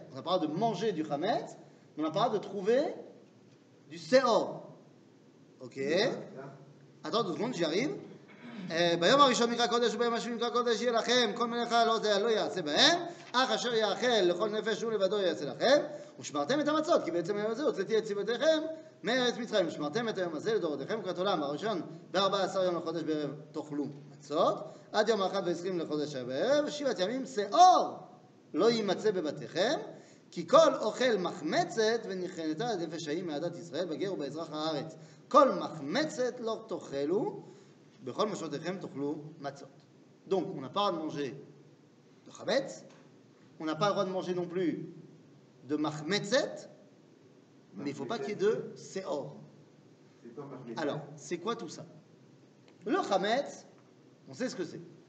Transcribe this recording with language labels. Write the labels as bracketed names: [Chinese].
[French] On a parlé de manger du chametz, on a parlé de trouver du seor. Ok. Attends deux secondes, j'y arrive. [Hebrew] Bayom arishon mikra kodesh, bayom arishon mikra kodesh, yé lachem, kol melecha lo zeh, lo yase bahem, ach asher yachel, lechol nefesh, ou levado yase lachem, ושמרתם את המצות, כי בעצם היום הזה הוצאתי את ציוותיכם מארץ מצרים. ושמרתם את היום הזה לדורותיכם כת עולם, הראשון ב-14 יום לחודש בערב תאכלו מצות, עד יום 1:20 לחודש בערב, שבעת ימים שאור לא יימצא בבתיכם, כי כל אוכל מחמצת ונכנתה את נפש האם מעדת ישראל בגר ובאזרח הארץ. כל מחמצת לא תאכלו, בכל משותיכם תאכלו מצות. [French] דונק, on n'a pas de manger de chametz, on n'a pas le droit de manger non plus de Mahmetzet, mais il ne faut pas qu'il y ait de Seor. Alors, c'est quoi tout ça? Le Hametz, on sait ce que c'est.